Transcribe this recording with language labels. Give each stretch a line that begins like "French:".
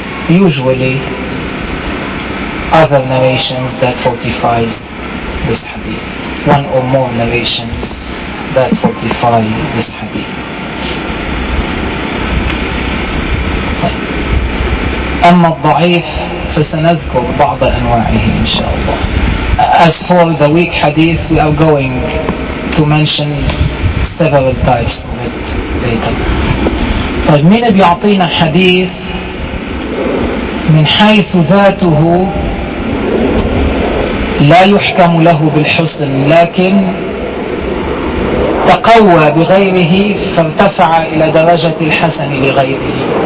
English: Usually, other narrations that fortify this hadith. One or more narrations that fortify this hadith.
Arabic: أما الضعيف فسنذكر بعض أنواعه إن شاء الله.
English: As for the weak hadith, we are going to mention several types of it later.
Arabic: طيب مين بيعطينا حديث من حيث ذاته لا يحكم له بالحسن لكن تقوى بغيره فارتفع إلى درجة الحسن لغيره.